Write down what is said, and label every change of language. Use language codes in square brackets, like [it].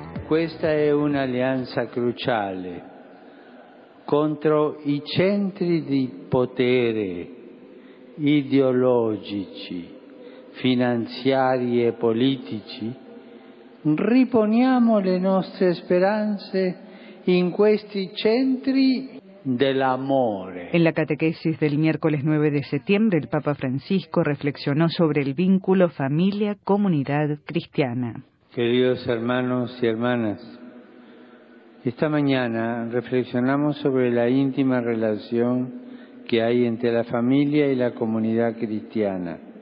[es] Esta es una alianza crucial contra los centros de poder ideológicos, financieros y políticos. [it] Riponiamo le nostre speranze in questi centri [es] del amor. En la catequesis del miércoles 9 de septiembre, el Papa Francisco reflexionó sobre el vínculo familia-comunidad cristiana. Queridos hermanos y hermanas, esta mañana reflexionamos sobre la íntima relación que hay entre la familia y la comunidad cristiana.